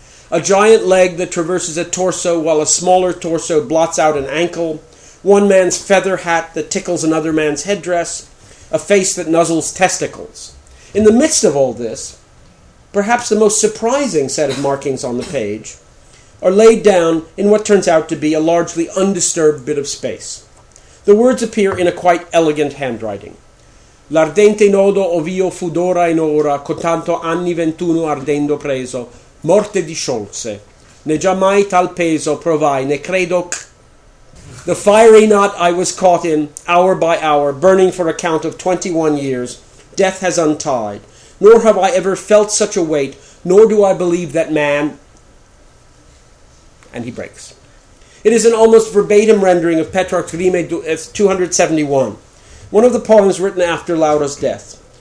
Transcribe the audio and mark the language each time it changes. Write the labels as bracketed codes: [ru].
[en] A giant leg that traverses a torso while a smaller torso blots out an ankle, one man's feather hat that tickles another man's headdress, a face that nuzzles testicles. In the midst of all this, perhaps the most surprising set of markings on the page are laid down in what turns out to be a largely undisturbed bit of space. The words appear in a quite elegant handwriting. [it] L'ardente nodo ov'io fu d'ora in ora, cotanto anni 21 ardendo preso, morte disciolse, ne già mai tal peso provai, ne credo c... [en] The fiery knot I was caught in, hour by hour, burning for a count of 21 years, death has untied. Nor have I ever felt such a weight, nor do I believe that man... And he breaks. It is an almost verbatim rendering of Petrarch's Rime 271, one of the poems written after Laura's death.